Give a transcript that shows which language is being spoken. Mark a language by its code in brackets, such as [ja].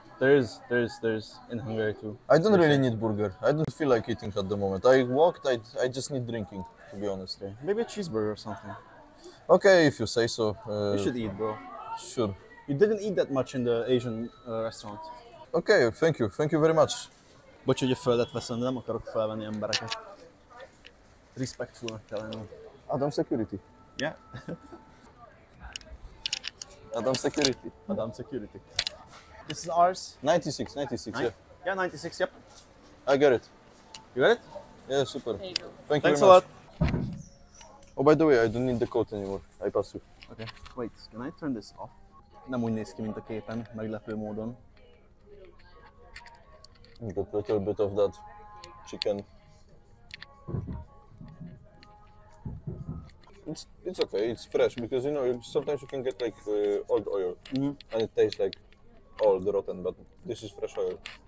[en] There's in Hungary too. I don't really need burger. I don't feel like eating at the moment. I walked, I just need drinking, to be honest. Okay. Maybe a cheeseburger or something. Okay, if you say so. You should eat, bro. Sure. You didn't eat that much in the Asian restaurant. Okay, thank you. Thank you very much. [hu] Bocs, hogy a földet veszem, de nem akarok felvenni embereket. Respectful-nak kell lennem. [en] Adam security. Yeah. Adam security. Adam security. This is ours. 96, yeah. Yeah, 96, yep. I got it. You got it? Yeah, super. Thanks a lot. Oh, by the way, I don't need the coat anymore. I pass you. Okay, wait, can I turn this off? [hu] Nem úgy néz ki, mint a képen, meglepő módon. [en] You got a little bit of that chicken. It's okay, it's fresh, because you know, sometimes you can get like old oil. Mm-hmm. And it tastes like old, rotten, but this is fresh oil.